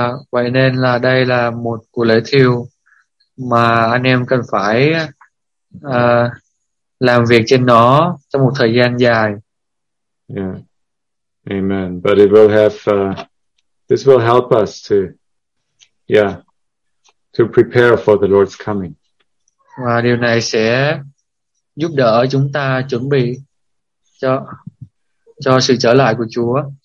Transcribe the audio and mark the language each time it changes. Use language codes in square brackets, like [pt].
[vi] Vậy nên là đây là một của lễ thiêu mà anh em cần phải làm việc trên nó trong một thời gian dài. [en] Yeah. Amen. But it will have this will help us to prepare for the Lord's coming. [vi] Và điều này sẽ giúp đỡ chúng ta chuẩn bị cho sự trở lại của Chúa.